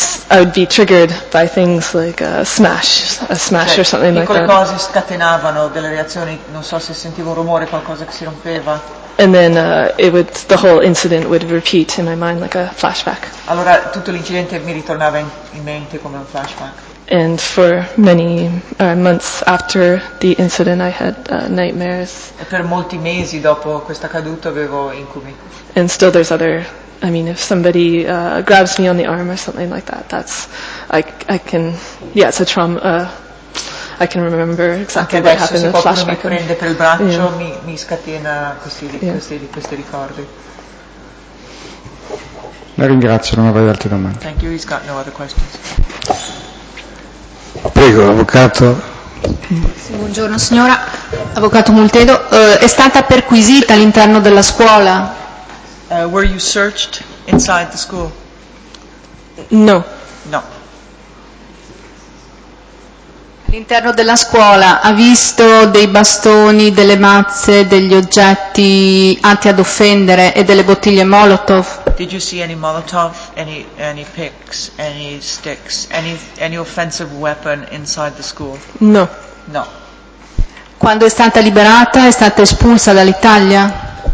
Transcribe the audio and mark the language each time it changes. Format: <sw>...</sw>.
<en>I would be triggered by things like a smash or something like that.</en> <it>Cose scatenavano delle reazioni, non so se sentivo un rumore, qualcosa che si rompeva.</it> <en>And then the whole incident would repeat in my mind like a flashback.</en> <it>Allora tutto l'incidente mi ritornava in mente come un flashback.</it> <en>And for many months after the incident I had nightmares.</en> <it>E per molti mesi dopo questa caduta avevo incubi.</it> <en>And still there's other, I mean, if somebody grabs me on the arm or something like that, it's a trauma. I can remember exactly what happened in the flashback.</en> <it>Anche adesso se qualcuno mi prende per il braccio, mi scatena questi ricordi. La ringrazio, non avrei altre domande.</it> <en>Thank you, he's got no other questions.</en> <it>Prego, avvocato. Sì, buongiorno, signora. Avvocato Multedo, è stata perquisita all'interno della scuola?</it> <en>Were you searched inside the school? No.</en> <it>No. All'interno della scuola ha visto dei bastoni, delle mazze, degli oggetti atti ad offendere e delle bottiglie Molotov?</it> <en>Did you see any Molotov, any picks, any sticks, any offensive weapon inside the school? No.</en> <it>No. Quando è stata liberata, è stata espulsa dall'Italia?</it>